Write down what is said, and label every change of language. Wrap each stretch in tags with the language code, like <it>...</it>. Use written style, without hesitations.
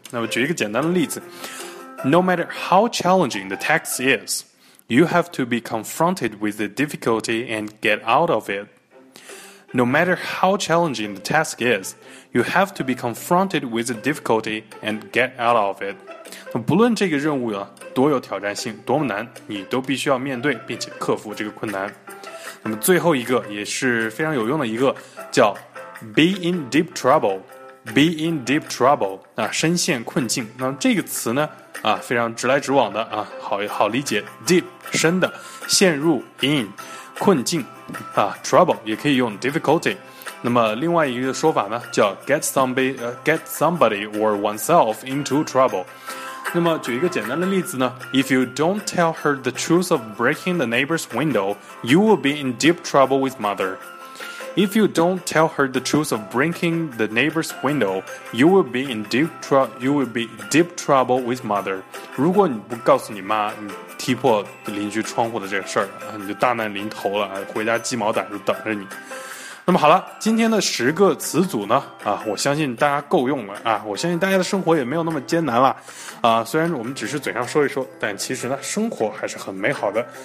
<zh>那么举一个简单的例子，</zh> <en>No matter how challenging the task is, you have to be confronted with the difficulty and get out of it. No matter how challenging the task is, you have to be confronted with the difficulty and get out of it.</en> <zh>不论这个任务啊，多有挑战性，多么难，你都必须要面对并且克服这个困难。那么最后一个也是非常有用的一个叫</zh> <en>be in deep trouble。 Be in deep trouble</en> <zh>啊，深陷困境。那这个词呢啊，非常直来直往的啊，好理解。 Deep 深的，陷入 in 困境啊 ，trouble 也可以用 difficulty。那么另外一个说法呢，叫</zh> <en>get somebody or oneself into trouble。</en> <zh>那么举一个简单的例子呢</zh> <en>，If you don't tell her the truth of breaking the neighbor's window, you will be in deep trouble with mother. If you don't tell her the truth of breaking the neighbor's window, you will be in deep trouble with mother.</en> <zh>如果你不告诉你妈你踢破邻居窗户的这个事儿，你就大难临头了，回家鸡毛掸子等着你。那么好了，今天的十个词组呢，我相信大家够用了啊，我相信大家的生活也没有那么艰难了啊。虽然我们只是嘴上说一说，但其实呢，生活还是很美好的。</zh>